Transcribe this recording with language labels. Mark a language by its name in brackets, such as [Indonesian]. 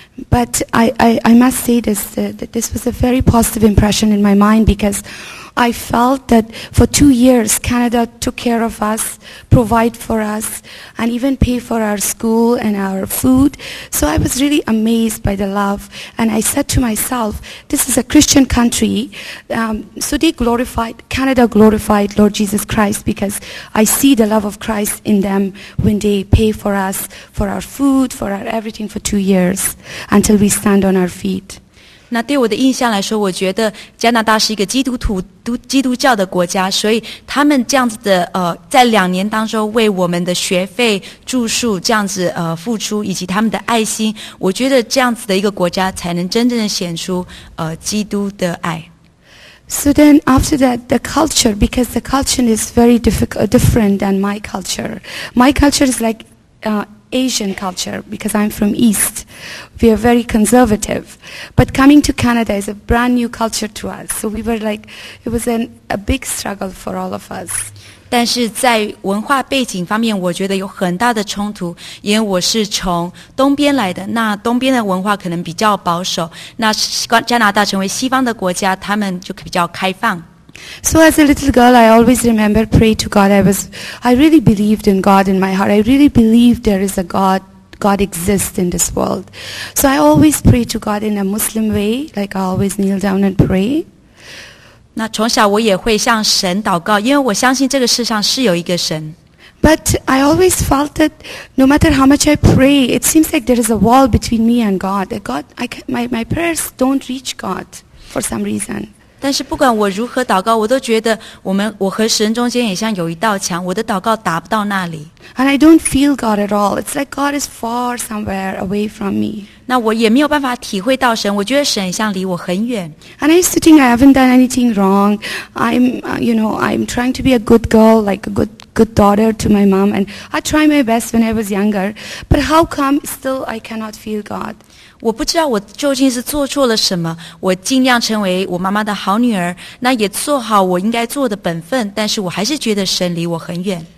[English] But I must say this, that this was a very positive impression in my mind because I felt that for 2 years Canada took care of us, provide for us, and even pay for our school and our food. So I was really amazed by the love, and I said to myself, this is a Christian country, so they glorified, Canada glorified Lord Jesus Christ, because I see the love of Christ in them when they pay for us, for our food, for our everything for 2 years until we stand on our feet. [Chinese] 那对我的印象来说，我觉得加拿大是一个基督徒、基督教的国家，所以他们这样子的在两年当中为我们的学费、住宿这样子付出，以及他们的爱心，我觉得这样子的一个国家才能真正的显出基督的爱。 [English] So then after that, the culture, because the culture is very different than my culture. My culture is like Asian culture, because I'm from East. We are very conservative. But coming to Canada is a brand new culture to us. So we were like, it was a big struggle for all of us. [Chinese] 但是在文化背景方面，我觉得有很大的冲突，因为我是从东边来的，那东边的文化可能比较保守，那加拿大成为西方的国家，他们就比较开放。 [English] So as a little girl, I always remember pray to God. I really believed in God in my heart. I really believed there is a God. God exists in this world. So I always pray to God in a Muslim way, like I always kneel down and pray. [Chinese] 那从小我也会向神祷告，因为我相信这个世上是有一个神。 [English] But I always felt that no matter how much I pray, it seems like there is a wall between me and God. My prayers don't reach God for some reason. [Chinese] 但是不管我如何祷告，我都觉得我和神中间也像有一道墙，我的祷告达不到那里。 [English] And I don't feel God at all. It's like God is far somewhere away from me. [Chinese] 那我也没有办法体会到神，我觉得神像离我很远。 [English] And I used to think I haven't done anything wrong. I'm trying to be a good girl, like a good daughter to my mom. And I try my best when I was younger. But how come still I cannot feel God? [Chinese] 我不知道我究竟是做错了什么，我尽量成为我妈妈的好女儿，那也做好我应该做的本分，但是我还是觉得神离我很远。